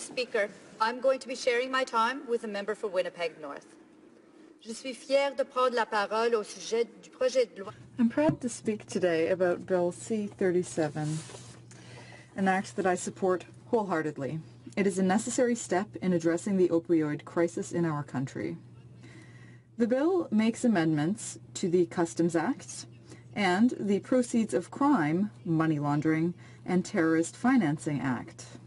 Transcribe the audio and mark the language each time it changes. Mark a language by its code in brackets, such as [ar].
[en] Speaker, I'm going to be sharing my time with the Member for Winnipeg North. [fr] Je suis fière de prendre la parole au sujet du projet de loi. [en] I'm proud to speak today about Bill C-37, an act that I support wholeheartedly. It is a necessary step in addressing the opioid crisis in our country. The bill makes amendments to the Customs Act and the Proceeds of Crime, Money Laundering, and Terrorist Financing Act.